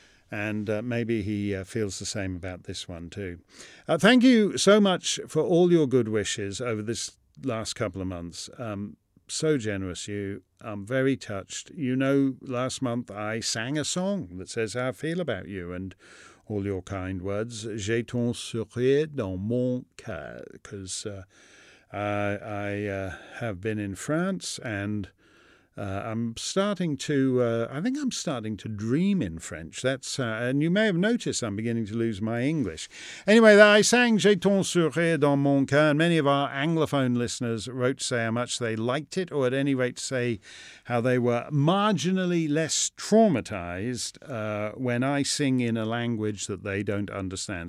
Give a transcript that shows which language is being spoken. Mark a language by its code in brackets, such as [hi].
[en] And maybe he feels the same about this one, too. Thank you so much for all your good wishes over this last couple of months. So generous, you. I'm very touched. You know, last month I sang a song that says how I feel about you and all your kind words. [fr] J'ai ton sourire dans mon cœur. [en] Because I have been in France, and I'm starting to dream in French. And you may have noticed I'm beginning to lose my English. Anyway, I sang [fr] J'ai ton sourire dans mon cœur, [en] and many of our Anglophone listeners wrote to say how much they liked it, or at any rate say how they were marginally less traumatized when I sing in a language that they don't understand.